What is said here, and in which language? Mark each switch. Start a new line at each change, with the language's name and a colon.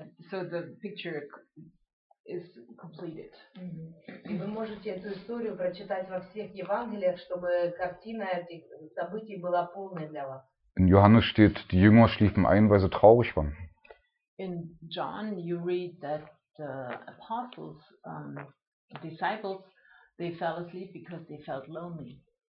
English: So the picture is completed. Mm-hmm.
Russian: Вы можете эту историю прочитать во всех Евангелиях, чтобы картина этих событий была полной для вас.
German: In Johannes steht, die Jünger schliefen ein, weil sie traurig waren.
English: In John you read that the apostles, disciples, they fell asleep because they felt lonely.